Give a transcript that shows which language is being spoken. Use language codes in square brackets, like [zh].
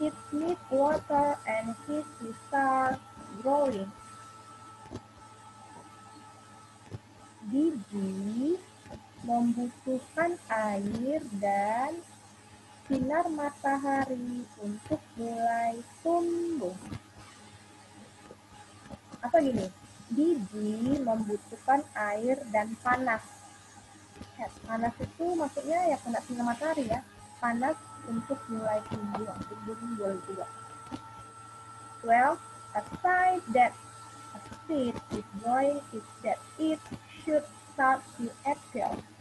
[en] It needs water and heat to start growing. [id] Biji membutuhkan air dan sinar matahari untuk mulai tumbuh. Atau gini, biji membutuhkan air dan panas. Panas itu maksudnya ya kena sinar matahari ya. Panas untuk mulai tumbuh, juga. 12. [en] A sign that a seed is growing is that it should start to appear.